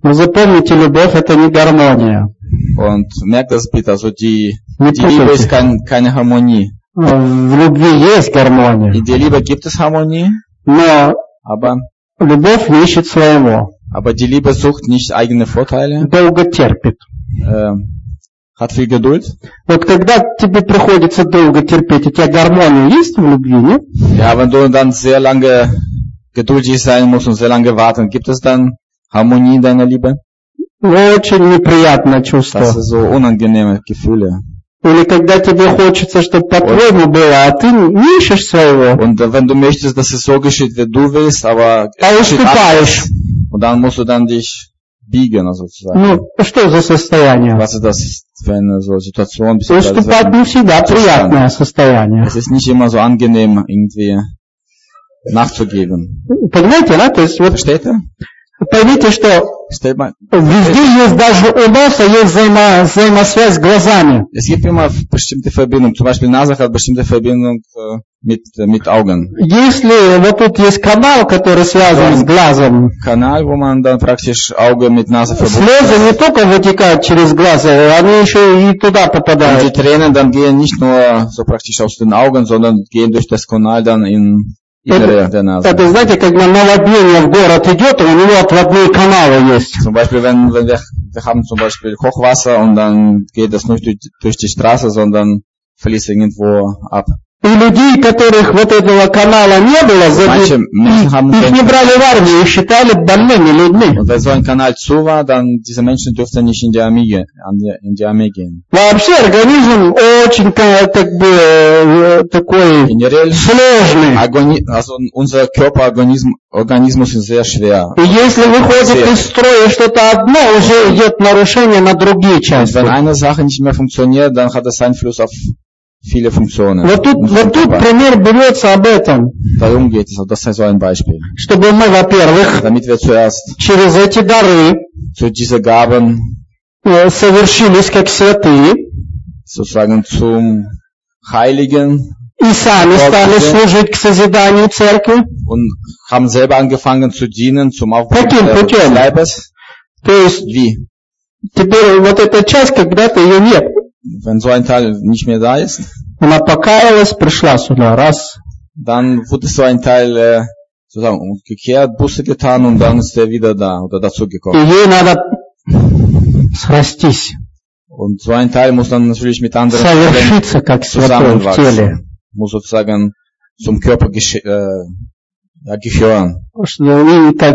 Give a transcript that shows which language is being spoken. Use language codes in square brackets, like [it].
[de] Und merkt das bitte, also die Liebe ist keine Harmonie. [ru] В любви есть гармония. [de] In der Liebe gibt es Harmonie. [ru] Но [de] aber [ru] любовь ищет своего. [de] Aber die Liebe sucht nicht eigene Vorteile. [ru] Долго терпит. [de] Hat viel Geduld. [ru] Вот когда тебе приходится долго терпеть, у тебя гармония есть в любви, нет? [de] Ja, wenn du dann sehr lange geduldig sein musst und sehr lange warten, gibt es dann Harmonie in deiner Liebe? [ru] Очень неприятное чувство. [de] Das ist so unangenehme Gefühle. [ru] Или когда тебе хочется, чтобы по-твоему было, а ты не ищешь своего. [de] Und wenn du möchtest, dass es so geschieht, wie du willst, aber [ru] уступаешь. [de] Und dann musst du dann dich biegen, sozusagen. [ru] Ну, что за состояние? [de] Was ist das für eine so Situation? [ru] Уступать не всегда приятное состояние. [de] Es ist nicht immer so angenehm, irgendwie nachzugeben. [ru] Понимаете, да? То есть, [de] versteht ihr? [ru] Поймите, что везде есть даже у носа есть взаимосвязь с глазами. [de] Es gibt immer bestimmte Verbindung, zum Beispiel Nase hat bestimmte Verbindung mit Augen. [ru] Если вот тут есть канал, который связан с глазом. [de] Канал, wo man dann praktisch Auge mit Nase verbunden. [ru] Слезы не только вытекают через глаза, они еще и туда попадают. [de] Und die Tränen dann gehen nicht nur so praktisch aus den Augen, sondern gehen durch das Kanal dann in [ru] Это знаете, когда наводнение в город идет, у него отводные каналы есть. [de] Zum Beispiel, wenn wir haben zum Beispiel Hochwasser und dann geht das nicht durch die Straße, sondern fließt irgendwo ab. [ru] И людей, которых вот этого канала не было, их не брали в армию, их считали больными людьми. [de] Und wenn so ein Kanal zu war, dann diese Menschen dürften nicht in die Armee gehen. [ru] Вообще организм очень такой сложный. [de] Also unser Körper, Organismus ist sehr schwer. [ru] И если выходит из строя что-то одно, уже идет нарушение на другие части. [de] Und wenn eine Sache nicht mehr funktioniert, dann hat das Einfluss auf viele Funktionen. [ru] Вот тут пример берется об этом. [de] Darum geht es, das ist so ein Beispiel. [ru] Чтобы мы, во-первых, [de] damit wir zuerst [ru] через эти дары [de] zu diese Gaben [ru] совершились как святые, [de] sozusagen zum Heiligen, [ru] и сами стали служить к созиданию церкви, [de] und haben selber angefangen zu dienen zum Aufbau des Leibes. [ru] То есть, [de] wie? [ru] Теперь вот эта часть, когда-то ее нет. [de] Wenn so ein Teil nicht mehr da ist, [ru] она покаялась, пришла сюда, раз. [de] Dann wurde so ein Teil sozusagen umgekehrt, Buße getan und dann ist er wieder da oder dazu gekommen. [ru] И ей надо срастись. [de] Und so ein Teil muss dann natürlich mit anderen zusammenwachsen. Muss sozusagen zum Körper gehören.